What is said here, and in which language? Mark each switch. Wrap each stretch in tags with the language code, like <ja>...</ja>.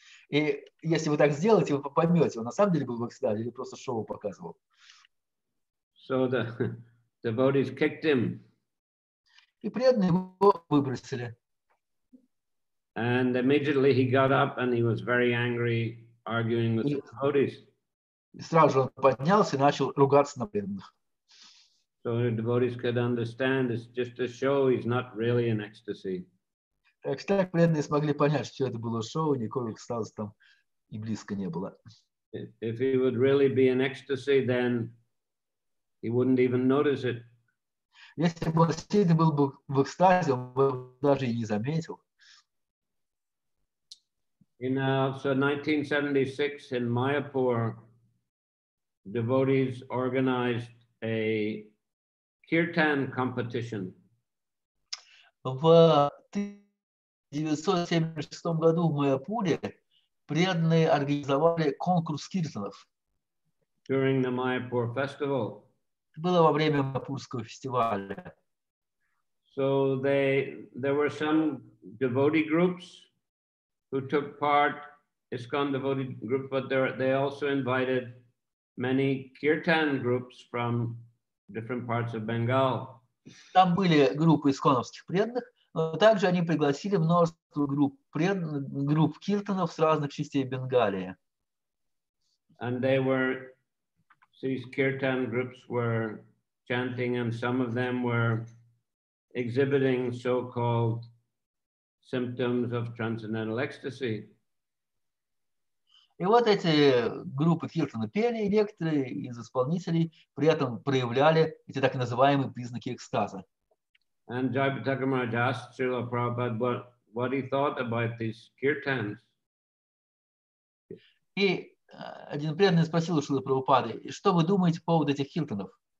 <ru>И если вы так сделаете, вы поймете, он на самом деле был в экстазе или просто шоу показывал.</ru> <en>So the devotees kicked him.</en> <ru>И преданные его выбросили.</ru> <en>And immediately he got up and he was very angry arguing with the devotees.</en> <ru>Сразу же он поднялся и начал ругаться на преданных.</ru> <en>So the devotees could understand it's just a show, he's not really in ecstasy.</en> <ru>Так преданные смогли понять, что это было шоу, никакого экстаза там и близко не было.</ru> <en>If he would really be in ecstasy, then he wouldn't even notice it.</en> <ru>Если бы он действительно был бы в экстазе, он бы даже и не заметил.</ru> <en>In 1976 in Mayapur, devotees organized a kirtan competition.</en> <ru>В 1976 году в Майяпуре преданные организовали конкурс киртанов.</ru> <en>During the Mayapur festival.</en> <ru>Это было во время Майяпурского фестиваля.</ru> <en>So there were some devotee groups who took part, ISKCON devotee group, but they also invited many kirtan groups from different parts of Bengal.</en> <ru>Там были группы исконовских преданных, но также они пригласили множество групп киртанов с разных частей Бенгалии.</ru> <en>And these kirtan groups were chanting, and some of them were exhibiting so-called symptoms of transcendental ecstasy.</en> <ru>И вот эти группы киртана пели, лекторы из исполнителей при этом проявляли эти так называемые признаки экстаза.</ru> <en>And Jayapataka Maharaj asked Srila Prabhupada what he thought about these kirtans.</en> <ru>И один преданный спросил у Шрилы Прабхупады, что вы думаете по поводу этих киртанов?</ru>